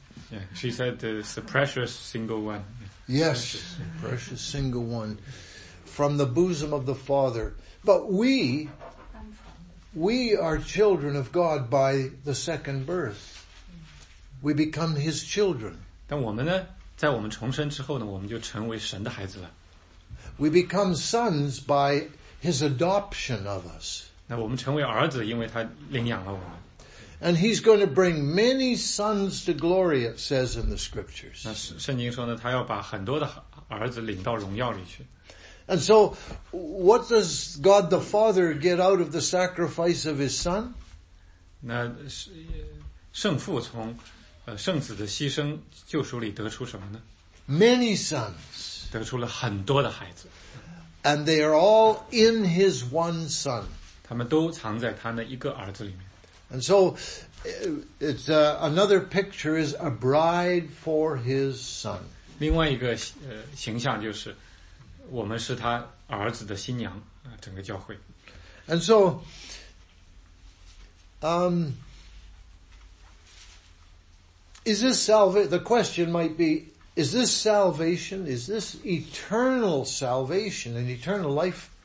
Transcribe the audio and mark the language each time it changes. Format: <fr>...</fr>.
<en>Yeah, she said it's a precious single one. Yes, precious single one from the bosom of the Father. But we are children of God by the second birth. We become His children.</en> <zh>但我们呢，在我们重生之后呢，我们就成为神的孩子了。</zh> <en>We become sons by His adoption of us.</en> <zh>那我们成为儿子，因为他领养了我们。</zh> <en>And he's going to bring many sons to glory, it says in the scriptures.</en> <zh>那圣经说呢，他要把很多的儿子领到荣耀里去。</zh> <en>And so, what does God the Father get out of the sacrifice of His Son?</en> <zh>那圣父从圣子的牺牲救赎里得出什么呢？</zh> <en>Many sons.</en> <zh>得出了很多的孩子。</zh> <en>And they are all in His one Son.</en> <zh>他们都藏在他那一个儿子里面。</zh> <en>And so, it's another picture is a bride for his son.</en> <zh>另外一个形象就是，我们是他儿子的新娘啊，整个教会。</zh> <en>And so, is this salvation? The question might be: Is this salvation? Is this eternal salvation and eternal life?</en>